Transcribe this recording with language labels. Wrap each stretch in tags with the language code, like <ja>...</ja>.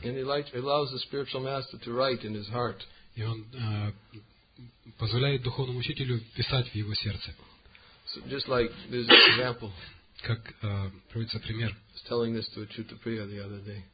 <en>And he allows the spiritual master to write in his heart.</en> <ru>И он позволяет духовному учителю писать в его сердце.</ru> <en>So just like this example.</en> <ru>Как приводится пример.</ru> <en>I was telling this to Achyuta Priya the other day.</en>